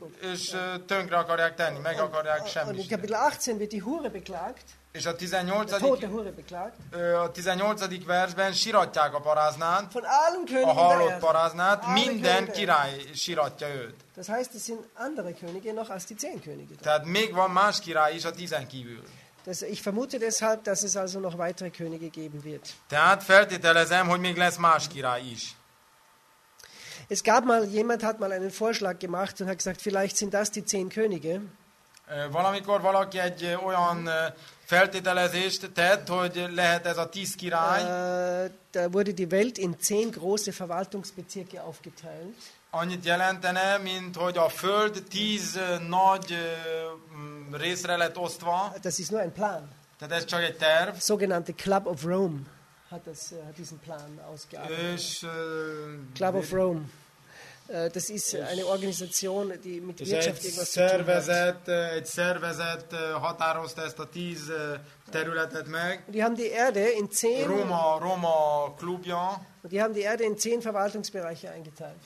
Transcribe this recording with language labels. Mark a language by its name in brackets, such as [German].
[Hungarian] És tönkre akarják tenni, meg akarják semmisteni. [German] In Kapitel 18 wird die Hure beklagt. [Hungarian] És a 18. versben siratják a paráznát, [German] von allen Königen [Hungarian] a halott paráznát, minden király siratja őt. [German] Das heißt, es sind andere Könige noch als die 10 Könige. [Hungarian] Tehát még van más király is a 10 kívül. [German] Ich vermute deshalb, dass es also noch weitere Könige geben wird. [Hungarian] Tehát feltételezem, hogy még lesz más király is. [German] Es gab mal, jemand hat mal einen Vorschlag gemacht und hat gesagt, vielleicht sind das die 10 Könige. [Hungarian] Valamikor valaki egy olyan feltételezést tett, hogy lehet ez a 10 király. [German] Da wurde die Welt in 10 große Verwaltungsbezirke aufgeteilt. [Hungarian] Annyit jelentene, mint hogy a Föld 10 nagy részre lett osztva. [German] Das ist nur ein Plan. [Hungarian] Tehát ez csak egy terv. [German] Sogenannte Club of Rome hat diesen Plan ausgearbeitet. Club of Rome. Das ist eine Organisation, die mit Wirtschaft irgendwas [Hungarian] szervezet, [German] zu tun hat. [Hungarian] Egy szervezet határozta ezt a 10 területet meg. [German] Die haben die Erde in 10 [Hungarian] Roma klubja. [German] Und die haben die Erde in 10 Verwaltungsbereiche eingeteilt.